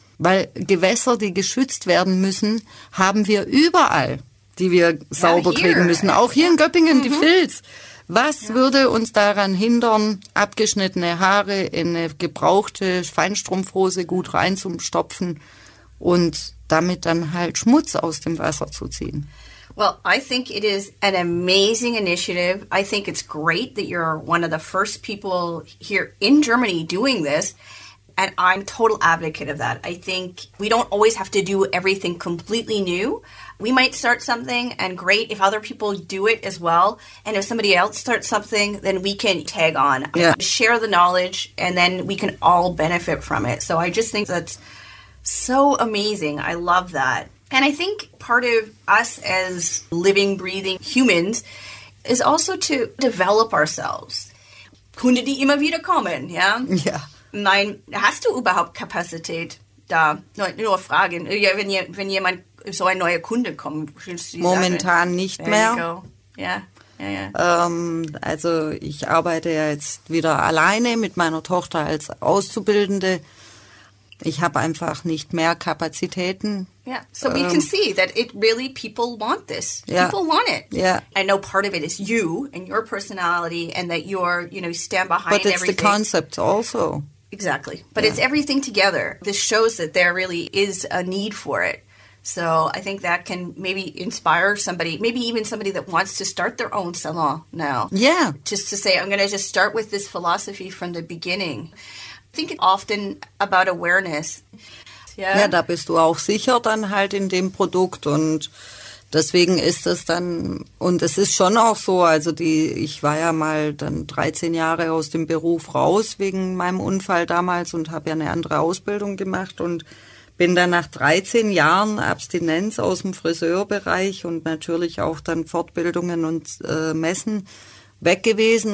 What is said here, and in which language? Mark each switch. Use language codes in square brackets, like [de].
[de] Weil Gewässer, die geschützt werden müssen, haben wir überall, die wir sauber kriegen müssen. Auch hier in Göppingen, die Filz. Was würde uns daran hindern, abgeschnittene Haare in eine gebrauchte Feinstrumpfhose gut reinzustopfen und damit dann halt Schmutz aus dem Wasser zu ziehen? [en] Well, I think it is an amazing initiative. I think it's great that you're one of the first people here in Germany doing this. And I'm a total advocate of that. I think we don't always have to do everything completely new. We might start something, and great if other people do it as well. And if somebody else starts something, then we can tag on, share the knowledge, and then we can all benefit from it. So I just think that's so amazing. I love that. And I think part of us as living, breathing humans is also to develop ourselves. [de] Kunde, die immer wieder kommen, ja? Ja. Nein, hast du überhaupt Kapazität da? Nur Fragen. Ja, wenn jemand, so ein neuer Kunde kommt. Momentan nicht mehr. Ja. Also ich arbeite ja jetzt wieder alleine mit meiner Tochter als Auszubildende. Ich habe einfach nicht mehr Kapazitäten. [en] Yeah, so we can see that it really, people want this. Yeah. People want it. Yeah. I know part of it is you and your personality and that you're, you know, stand behind everything. But it's the concept also. Exactly. But it's everything together. This shows that there really is a need for it. So I think that can maybe inspire somebody, maybe even somebody that wants to start their own salon now. Yeah. Just to say, I'm going to just start with this philosophy from the beginning. Think often about awareness. [de] Ja, da bist du auch sicher dann halt in dem Produkt und deswegen ist das dann, und es ist schon auch so, also die, ich war ja mal dann 13 Jahre aus dem Beruf raus wegen meinem Unfall damals und habe ja eine andere Ausbildung gemacht und bin dann nach 13 Jahren Abstinenz aus dem Friseurbereich und natürlich auch dann Fortbildungen und Messen weg gewesen.